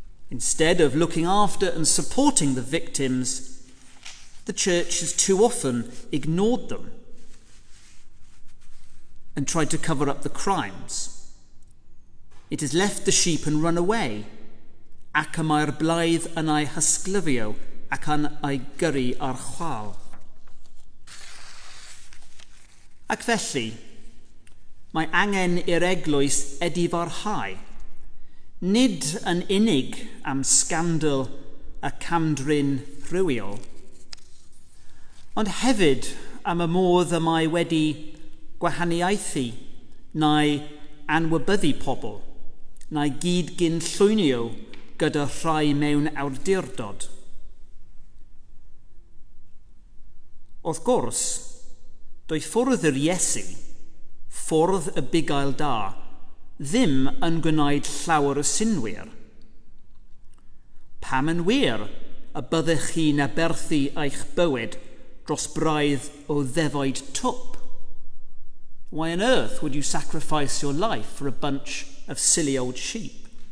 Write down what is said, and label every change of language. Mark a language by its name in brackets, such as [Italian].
[English] Instead of looking after and supporting the victims, the church has too often ignored them and tried to cover up the crimes. It has left the sheep and run away. [Welsh] Ac y mae'r blaidd yn ei hysglyfio ac yn ei gyrru ar chwal. Ac felly, mae angen i'r eglwys edifarhau, nid yn unig am sgandal y camdrin rhywiol, ond hefyd am y modd y mae wedi gwahaniaethu neu anwybyddu pobl, neu gyd gyn llwynio gyda rhai mewn awdurdod. Wrth gwrs, doedd ffwrdd yr Iesu, ffwrdd y bugail da, ddim yn gwneud llawer o synwyr. Pam yn wir y byddech chi'n aberthu eich bywyd dros braidd o ddefaid twp? [English] Why on earth would you sacrifice your life for a bunch of silly old sheep?